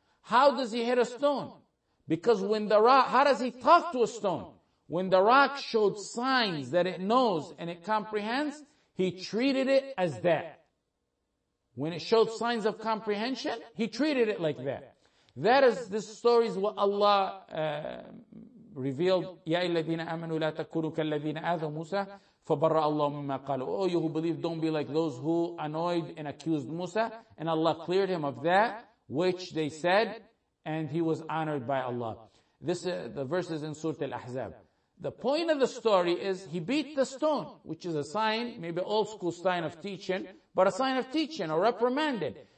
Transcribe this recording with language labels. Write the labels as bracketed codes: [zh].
[en] How does he hit a stone? Because when the rock, how does he talk to a stone? When the rock showed signs that it knows and it comprehends, he treated it as that. When it showed signs of comprehension, he treated it like that. That is, this story is what Allah revealed, [ar] يَا أَيُّهَا آمَنُوا لَا تَكُونُوا كَالَّذِينَ آذَوْا مُوسَى فَبَرَّأَ اللَّهُ مِمَّا قَالُوا. [en] Oh, you who believe, don't be like those who annoyed and accused Musa. And Allah cleared him of that which they said, and he was honored by Allah. This is the verses in Surah Al-Ahzab. The point of the story is he beat the stone, which is a sign, maybe old school sign of teaching, but a sign of teaching or reprimanded.